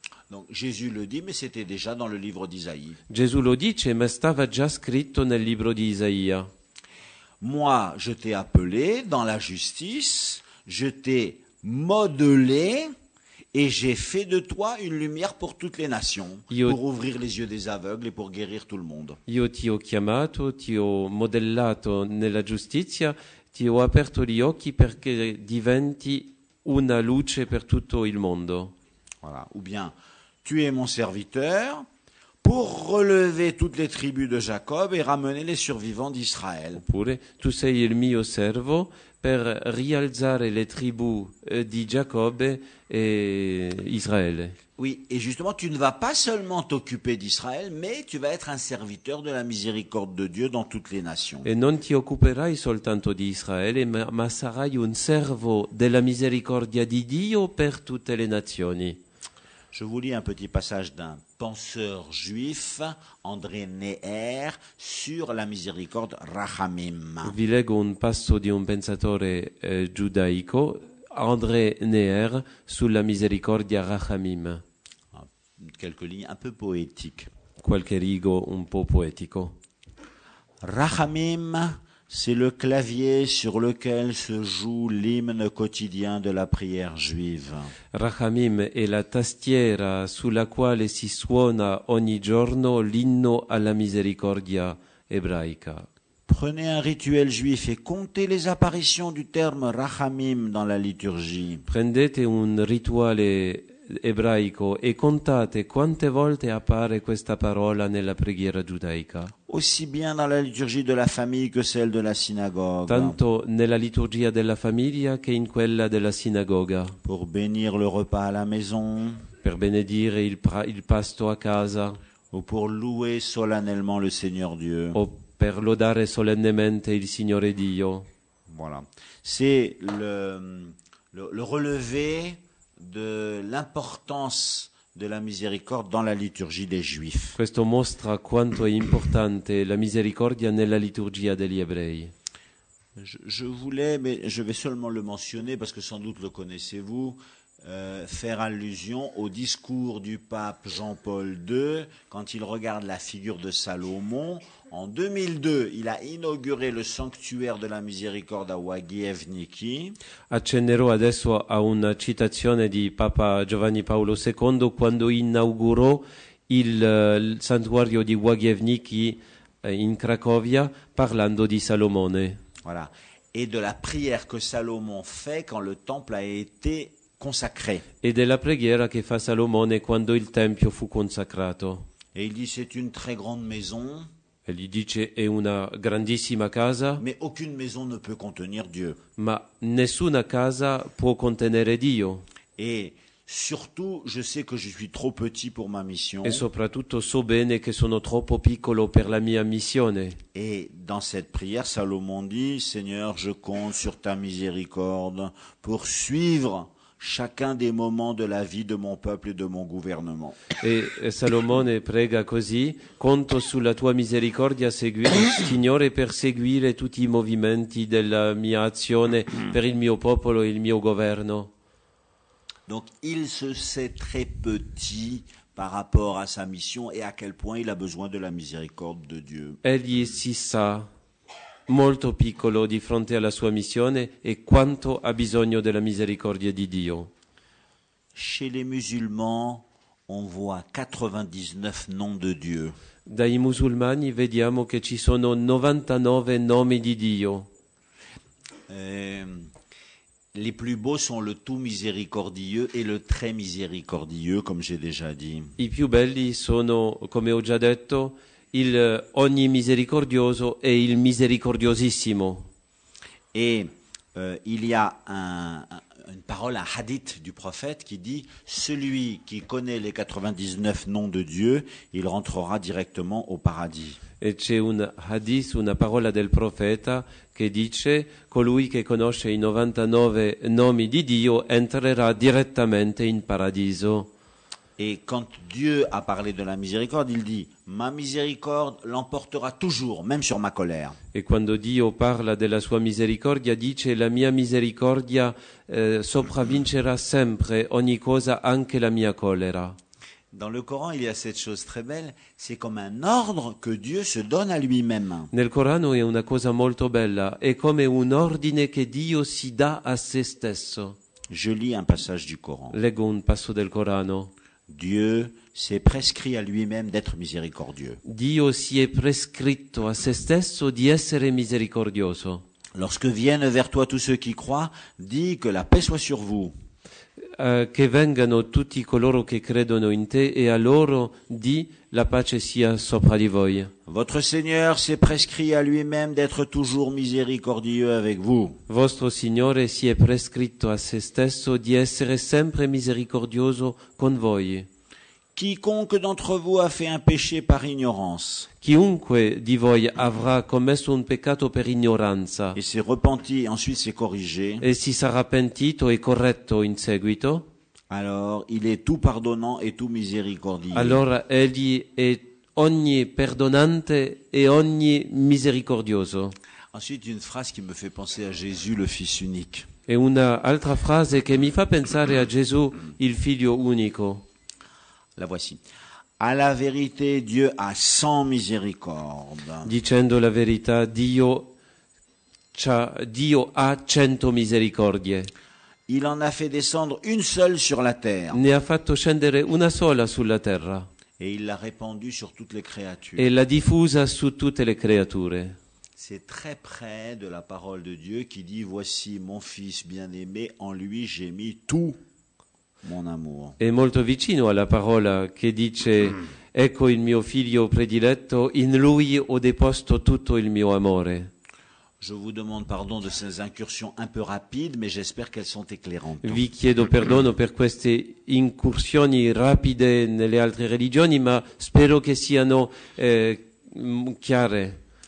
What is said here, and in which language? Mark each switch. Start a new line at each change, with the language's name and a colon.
French: Donc Jésus le dit, mais c'était déjà dans le livre d'Isaïe.
Italian: Gesù lo dice, ma stava già scritto nel libro di Isaia.
French: Moi, je t'ai appelé dans la justice, je t'ai modelé et j'ai fait de toi une lumière pour toutes les nations, pour ouvrir les yeux des aveugles et pour guérir tout le monde.
Italian: Io ti ho chiamato, ti ho modellato nella giustizia, ti ho aperto gli occhi perché diventi una luce per tutto il mondo.
French: Voilà. Ou bien, tu es mon serviteur pour relever toutes les tribus de Jacob et ramener les survivants d'Israël.
Italian: Oppure, tu sei il mio servo per rialzare le tribù di Giacobbe e Israele.
French: Oui, et justement, tu ne vas pas seulement t'occuper d'Israël, mais tu vas être un serviteur de la miséricorde de Dieu dans toutes les nations.
Italian: E non ti occuperai soltanto di Israele, ma sarai un servo della misericordia di Dio per tutte le nazioni.
French: Je vous lis un petit passage d'un penseur juif, André Néer, sur la miséricorde Rachamim.
Italian: Vi leggo un passo di un pensatore giudaico, André Néer, sulla misericordia Rachamim.
French: Quelques lignes un peu poétiques.
Italian: Qualche rigo un po' poetico.
French: Rachamim, c'est le clavier sur lequel se joue l'hymne quotidien de la prière juive.
Italian: Rachamim è la tastiera sulla quale si suona ogni giorno l'inno alla misericordia ebraica.
French: Prenez un rituel juif et comptez les apparitions du terme Rachamim dans la liturgie.
Italian: Prendete un rituale ebraico e contate quante volte appare questa parola nella preghiera giudaica.
French: Aussi bien dans la liturgie de la famille que celle de la synagogue.
Italian: Tanto nella liturgia della famiglia che in quella della sinagoga.
French: Pour bénir le repas à la maison.
Italian: Per benedire il pasto a casa.
French: Ou pour louer solennellement le Seigneur Dieu.
Italian: O per lodare solennemente il Signore Dio.
French: Voilà. C'est le relevé de l'importance de la miséricorde dans la liturgie des Juifs.
Italian: Questo mostra quanto è importante la misericordia nella liturgia degli ebrei.
French: Je voulais, mais je vais seulement le mentionner parce que sans doute le connaissez-vous, faire allusion au discours du pape Jean-Paul II quand il regarde la figure de Salomon. En 2002, il a inauguré le sanctuaire de la miséricorde à Wagievniki.
Italian: Accennerò adesso a una citazione di Papa Giovanni Paolo II quando inaugurò il santuario di Wagievniki in Cracovia parlando di Salomone.
French: Voilà. Et de la prière que Salomon fait quand le temple a été consacré. Et de la
Italian: preghiera che fa Salomone quando il tempio fu consacrato.
French: Et il dit c'est une très grande maison.
Italian: E gli dice è una grandissima casa.
French: Mais aucune maison ne peut contenir Dieu.
Italian: Ma nessuna casa può contenere Dio.
French: Et surtout, je sais que je suis trop petit pour ma mission.
Italian: E soprattutto so bene che sono troppo piccolo per la mia missione.
French: Et dans cette prière, Salomon dit, Seigneur, je compte sur ta miséricorde pour suivre chacun des moments de la vie de mon peuple et de mon gouvernement.
Italian: E Salomone prega così, conto sulla tua misericordia, Signore, per seguire tutti i movimenti della mia azione per il mio popolo e il mio governo.
French: Donc il se sait très petit par rapport à sa mission et à quel point il a besoin de la miséricorde de Dieu.
Italian: Egli si sa molto piccolo di fronte alla sua missione e quanto ha bisogno della misericordia di Dio.
French: Chez les musulmans, on voit 99 noms de Dieu.
Italian: Dai musulmani vediamo che ci sono 99 nomi di Dio.
French: Les plus beaux sont le tout miséricordieux et le très miséricordieux, comme j'ai déjà dit.
Italian: I più belli sono, come ho già detto, il ogni misericordioso e il misericordiosissimo.
French: Et il y a une parole, un hadith du prophète qui dit « Celui qui connaît les 99 noms de Dieu, il rentrera directement au paradis ».
Italian: E c'è un hadith, una parola del profeta che dice: colui che conosce i 99 nomi di Dio entrerà direttamente in paradiso. E quando Dio ha parlato della misericordia, il dice: ma misericordia
French: l'emporterà toujours, même sur ma colère.
Italian: E quando Dio parla della sua misericordia, dice: la mia misericordia sopravvincerà sempre ogni cosa, anche la mia colera.
French: Dans le Coran, il y a cette chose très belle, c'est comme un ordre que Dieu se donne à lui-même.
Italian: Nel Corano è una cosa molto bella, è come un ordine che Dio si dà a se stesso.
French: Je lis un passage du Coran.
Italian: Leggo un passo del Corano.
French: Dieu s'est prescrit à lui-même d'être miséricordieux.
Italian: Dio si è prescritto a se stesso di essere misericordioso.
French: Lorsque viennent vers toi tous ceux qui croient, dis que la paix soit sur vous.
Italian: Che vengano tutti coloro che credono in te e a loro di la pace sia sopra di voi.
French: Votre Seigneur s'est prescrit à lui-même d'être toujours miséricordieux avec vous.
Italian: Vostro Signore si è prescritto a se stesso di essere sempre misericordioso con voi.
French: Quiconque d'entre vous a fait un péché par ignorance.
Italian: Chiunque di voi avrà commesso un peccato per ignoranza.
French: E si è repenti, ensuite si è corrigé.
Italian: E si sarà pentito e corretto in seguito.
French: Alors, il est tout pardonnant et tout miséricordieux.
Italian: Allora egli è ogni perdonante e ogni misericordioso.
French: Ensuite, une phrase qui me fait penser à Jésus, le Fils unique.
Italian: E una altra frase che mi fa pensare a Gesù, il Figlio unico.
French: La voici. À la vérité, Dieu a 100 miséricordes.
Italian: Dicendo la verità, Dio ha 100 misericordie.
French: Il en a fait descendre une seule sur la terre.
Italian: Ne ha fatto scendere una sola sulla terra.
French: Et il l'a répandue sur toutes les créatures.
Italian: E l'ha diffusa su tutte le creature.
French: C'est très près de la parole de Dieu qui dit: voici mon fils bien-aimé, en lui j'ai mis tout. Mon amour.
Italian: È molto vicino alla parola che dice: ecco il mio figlio prediletto, in lui ho deposto tutto il mio amore.
French: Je vous demande pardon de ces incursions un peu rapides, mais j'espère qu'elles sont éclairantes.
Italian: Vi chiedo perdono per queste incursioni rapide nelle altre religioni, ma spero che siano chiare.